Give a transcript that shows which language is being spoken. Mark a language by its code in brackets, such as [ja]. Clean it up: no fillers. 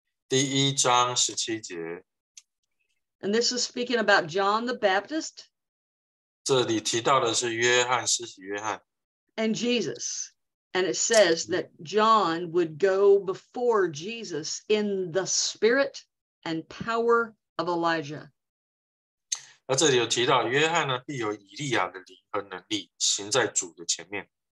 [en] And this is speaking about John the Baptist. [zh] 这里提到的是约翰，施洗约翰。 [en] And Jesus, and it says that John would go before Jesus in the spirit and power of Elijah. [zh] 那这里有提到，约翰呢，必有以利亚的灵和能力，行在主的前面。